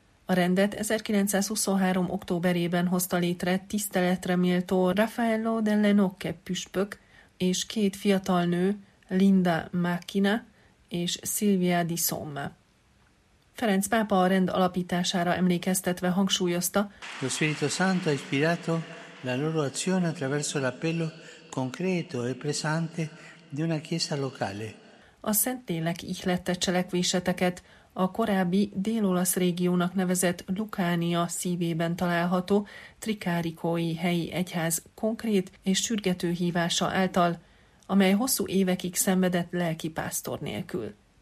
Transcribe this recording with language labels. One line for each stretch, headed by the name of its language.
Hungarian: A rendet 1923. októberében hozta létre tiszteletre méltó Raffaello delle Nocche püspök és két fiatal nő, Linda Macchina és Silvia di Somma. Ferenc pápa a rend alapítására emlékeztetve hangsúlyozta:
Italian: Lo Spirito Santo ha ispirato la loro azione attraverso l'appello concreto e pressante di una chiesa locale.
Hungarian: A Szentlélek ihlette cselekvéseteket a korábbi dél-olasz régiónak nevezett Lucania szívében található trikárikói helyi egyház konkrét és sürgető hívása által, amely hosszú évekig szenvedett lelki pásztor nélkül.